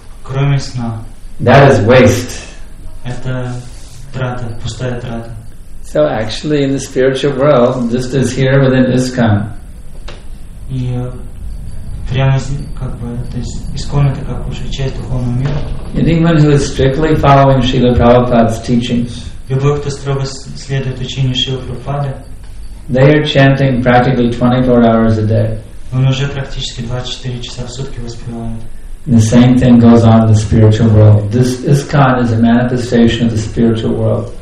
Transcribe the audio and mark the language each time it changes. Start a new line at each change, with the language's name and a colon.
Russian: Кроме сна.
English: That is waste.
Russian: Это трата, пустая трата.
English: So actually, in the spiritual world, just as here within ISKCON.
Russian: И прямо как бы, то есть ИСККОН это как уже часть духовного мира.
English: Anyone who is strictly following Srila Prabhupada's teachings.
Russian: Любой, кто строго следует учению Шрилы Прабхупады.
English: They are chanting practically 24 hours a day.
Russian: Он уже практически 24 часа в сутки воспевает.
English: And the same thing goes on in the spiritual world. This ISKCON is a manifestation of the spiritual world.